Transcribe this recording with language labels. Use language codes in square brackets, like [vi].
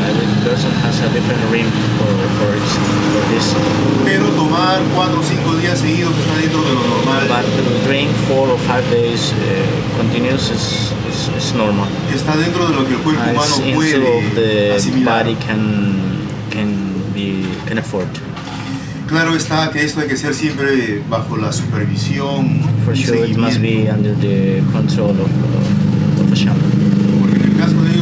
[en] Every person has a different rim for this. [es] Pero tomar 4 o 5 días seguidos está dentro de lo normal. [en] But drink 4 or 5 days continuous is normal. [es] Está dentro de lo que el cuerpo humano puede asimilar. [en] It's inside of the body can afford. [es] Claro está que esto hay que ser siempre bajo la supervisión. [en] For sure, [es] seguimiento. [en] It must be under the control of a shaman.